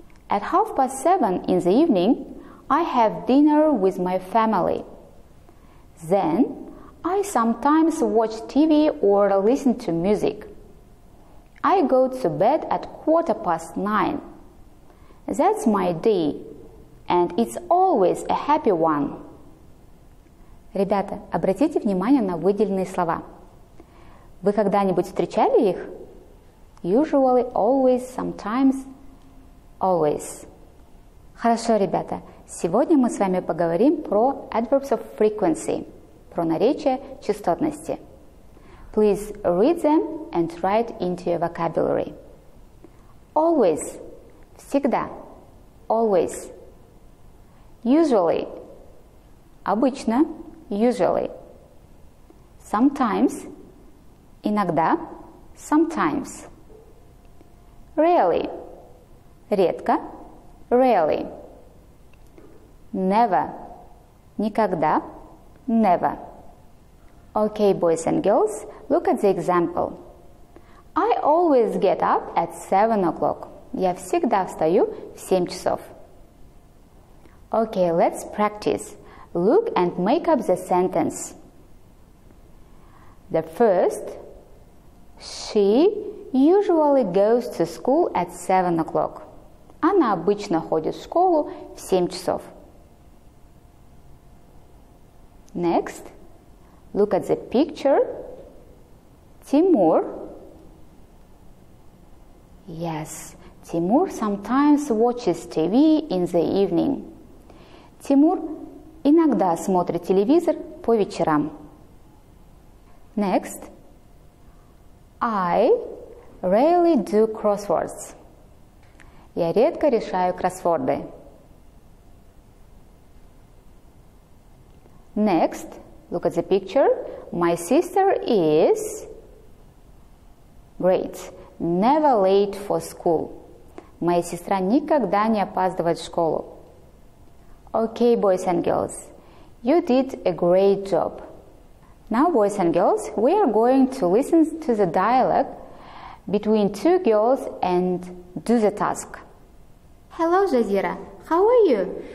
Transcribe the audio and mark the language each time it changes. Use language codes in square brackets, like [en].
[en] At 7:30 in the evening, I have dinner with my family. Then, I sometimes watch TV or listen to music. I go to bed at 9:15. That's my day, and it's always a happy one. [ru] Ребята, обратите внимание на выделенные слова. Вы когда-нибудь встречали их? [en] Usually, always, sometimes, always. [ru] Хорошо, ребята, сегодня мы с вами поговорим про [en] adverbs of frequency. [ru] Про наречия частотности. [en] Please read them and write into your vocabulary. Always. [ru] Всегда. [en] Always. Usually. [ru] Обычно. [en] Usually. Sometimes. [ru] Иногда. [en] Sometimes. Rarely. [ru] Редко. [en] Really. Never. [ru] Никогда. [en] Never. Okay, boys and girls, look at the example. I always get up at 7 o'clock. [ru] Я всегда встаю в 7 часов. [en] Okay, let's practice. Look and make up the sentence. The first, she usually goes to school at 7 o'clock. [ru] Она обычно ходит в школу в 7 часов. [en] Next, look at the picture. Тимур. Yes, Тимур sometimes watches TV in the evening. [ru] Тимур иногда смотрит телевизор по вечерам. [en] Next, I rarely do crosswords. [ru] Я редко решаю кроссворды. [en] Next, look at the picture. My sister is great. Never late for school. [ru] Моя сестра никогда не опаздывает в школу. [en] Okay, boys and girls, you did a great job. Now, boys and girls, we are going to listen to the dialogue between two girls and do the task. Hello, Jazira. How are you?